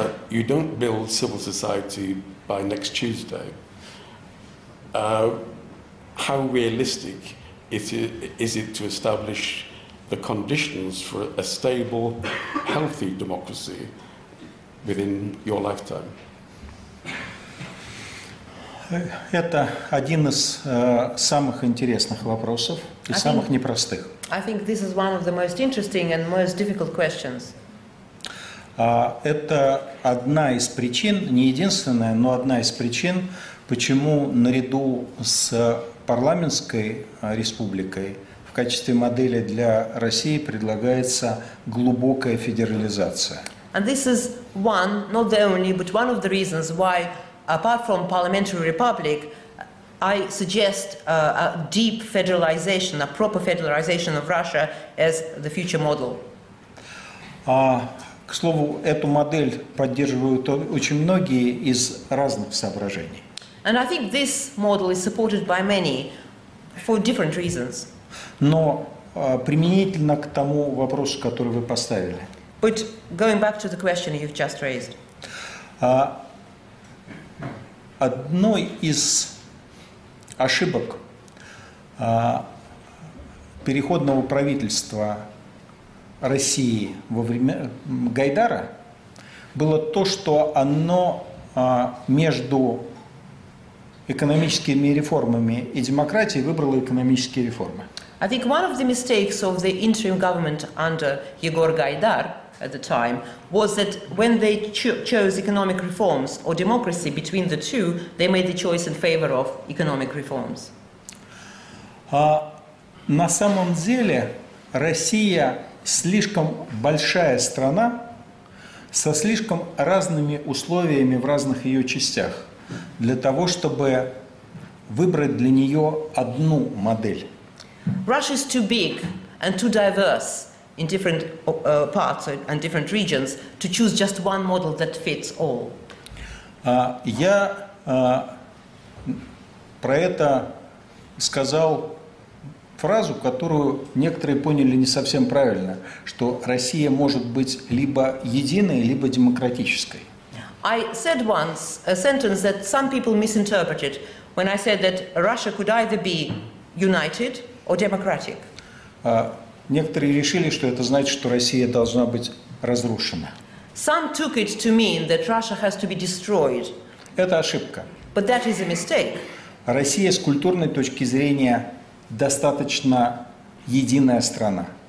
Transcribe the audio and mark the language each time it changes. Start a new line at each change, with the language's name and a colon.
English: You don't build civil society by next Tuesday. How realistic is it to establish the conditions for a stable, healthy democracy within your lifetime?
Russian: Это один из самых интересных вопросов и самых непростых.
English: I think this is one of the most interesting and most difficult questions.
Russian: Это одна из причин, не единственная, но одна из причин, почему наряду с парламентской республикой в качестве модели для России предлагается глубокая федерализация.
English: And this is one, not the only, but one of the reasons why, apart from parliamentary republic, I suggest a deep federalization, a proper federalization of Russia as the future model.
Russian: К слову, эту модель поддерживают очень многие из разных соображений.
English: And I think this model is supported by many for different reasons.
Russian: Но применительно к тому вопросу, который вы поставили.
English: But going back to the question you've just raised.
Russian: Одной из ошибок переходного правительства России во время Гайдара было то, что оно между экономическими реформами и демократией выбрало экономические реформы.
English: I think one of the mistakes of the interim government under Егор Гайдар at the time was that when they chose economic reforms or democracy between the two, they made the choice in favor of economic reforms.
Russian: На самом деле Россия слишком большая страна со слишком разными условиями в разных ее частях для того, чтобы выбрать для нее одну модель.
English: Russia is too big and too diverse in different parts and different regions to choose just one model that fits all.
Russian: Я про это сказал фразу, которую некоторые поняли не совсем правильно, что Россия может быть либо единой, либо демократической.
English: I said once a sentence that some people misinterpreted when I said that Russia could either be united or democratic.
Russian: Некоторые решили, что это значит, что Россия должна быть разрушена.
English: Some took it to mean that Russia has to be destroyed.
Russian: Это ошибка.
English: But that is a mistake.
Russian: Россия с культурной точки зрения достаточно единая страна.